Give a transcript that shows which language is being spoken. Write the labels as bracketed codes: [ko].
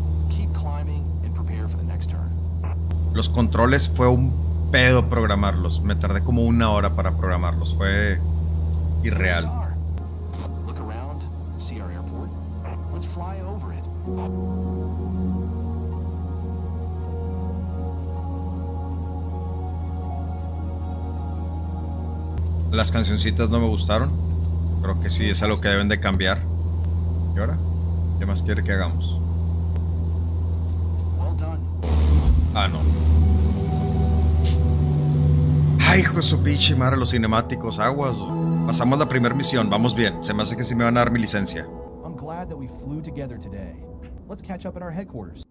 [en] Keep climbing and prepare for the next turn. [es] Los controles fue un pedo programarlos. Me tardé como una hora para programarlos. Fue irreal. [en] Look around, see our airport. Let's fly over it. [es] Las cancioncitas no me gustaron. Creo que sí, es algo que deben de cambiar. ¿Y ahora? ¿Qué más quiere que hagamos? [en] Well done. [es] Ah, no. ¡Ay, hijo de su pinche madre, los cinemáticos! ¡Aguas! Pasamos la primera misión, vamos bien. Se me hace que sí me van a dar mi licencia. [en] I'm glad that we flew together today. Let's catch up at our headquarters.